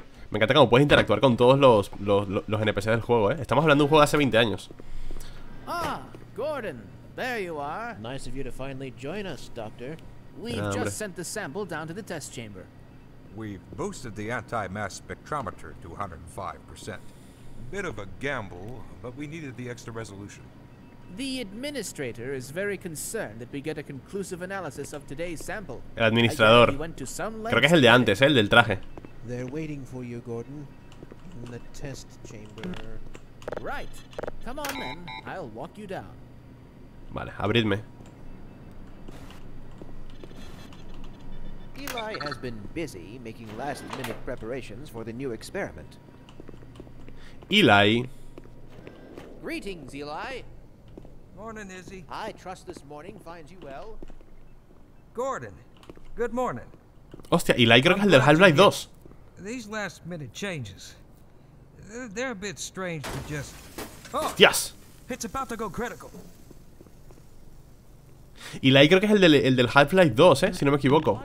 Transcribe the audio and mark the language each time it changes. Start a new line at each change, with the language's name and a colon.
Spanish: Me encanta cómo puedes interactuar con todos los NPCs del juego, ¿eh? Estamos hablando de un juego de hace 20 años.
English: Ah, Gordon, there you are. Nice of you to finally join us, Doctor. We just sent the sample down to the test chamber. We've boosted the anti-mass spectrometer to 105%. Bit of a gamble, but we needed the extra resolution. The administrator is very concerned that we get a conclusive analysis of today's sample.
Spanish: El administrador. Creo que es el de antes, el del traje.
English: They're waiting for you, Gordon, in the test chamber. Right. Come on then, I'll walk you down.
Spanish: Vale, abridme.
English: Eli has been busy making last-minute preparations for the new experiment. Eli. Greetings, Eli. Morning, Izzy. I trust this morning finds you well. Gordon, good morning.
Spanish: Hostia, Eli creo que es el del Half-Life 2.
English: These last-minute changes, they're a bit strange to just... Oh, yes. It's about to go critical.
Spanish: Eli creo que es el del Half-Life 2, si no me equivoco.